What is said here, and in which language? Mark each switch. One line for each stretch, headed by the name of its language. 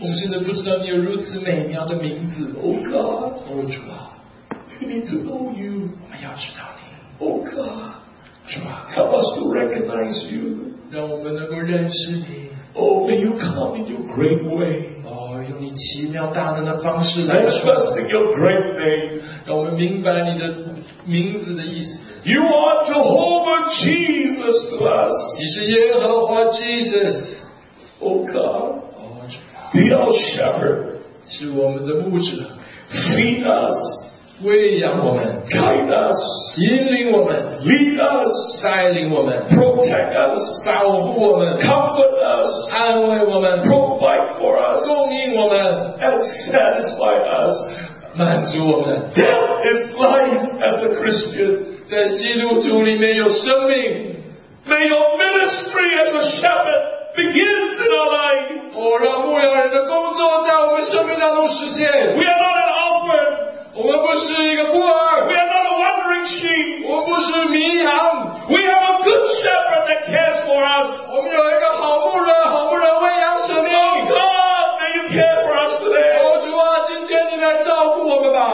English: We don't know your names. Oh God. Oh, Lord. We need to know you. We need to know you. Oh God. Lord. Help us to recognize you. Let us know you. Oh, may you come in your great way.
Chinese: Oh, 用你奇妙大能的方式来。
English: Let us know your great name.
Chinese: 让我们明白你的名字的意思。
English: You are Jehovah Jesus to us.
Chinese: 你是耶和华 Jesus.
English: Oh God. Oh, the El Shepherd.
Chinese: 是我们的牧者。
English: Feed us.
Chinese: 喂养我们。
English: Guide us.
Chinese: 引领我们。
English: Lead us.
Chinese: 带领我们。
English: Protect us.
Chinese: 保护我们。
English: Comfort us.
Chinese: 安慰我们。
English: Provide for us.
Chinese: 供应我们。
English: And satisfy us.
Chinese: 满足我们。
English: Death is life as a Christian.
Chinese: 在基督徒里面有生命。
English: May your ministry as a shepherd begins in our life.
Chinese: 哦，让牧羊人的工作在我们生命当中实现。
English: We are not an orphan.
Chinese: 我们不是一个孤儿。
English: We are not a wandering sheep.
Chinese: 我们不是迷羊。
English: We have a good shepherd that cares for us.
Chinese: 我们有一个好牧人，好牧人喂养生命。
English: Oh God, may you care for us today.
Chinese: 哦，主啊，今天你来照顾我们吧。